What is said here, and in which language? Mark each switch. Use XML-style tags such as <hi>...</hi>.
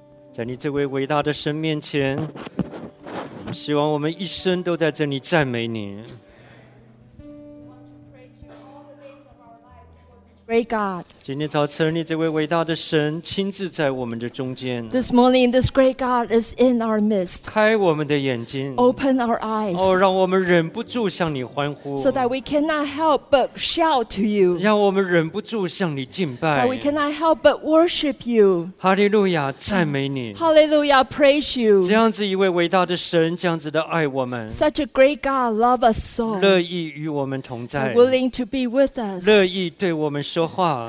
<zh>在你这位伟大的神面前，希望我们一生都在这里赞美你。</zh> <en>great God.</en> <zh>今天早晨，你这位伟大的神亲自在我们的中间。</zh> <en>This morning, this great God is in our midst.</en> <zh>开我们的眼睛。</zh> <en>Open our eyes.</en> <zh>哦，让我们忍不住向你欢呼。</zh> <en>So that we cannot help but shout to you.</en> <zh>让我们忍不住向你敬拜。</zh> <en>That we cannot help but worship you.</en> <zh>哈利路亚，赞美你。</zh> <en>Hallelujah, praise you.</en> <zh>这样子一位伟大的神，这样子的爱我们。</zh> <en>Such a great God, love us so.</en> <zh>乐意与我们同在。</zh> <en>Willing to be with us.</en> <zh>乐意对我们说话。</zh>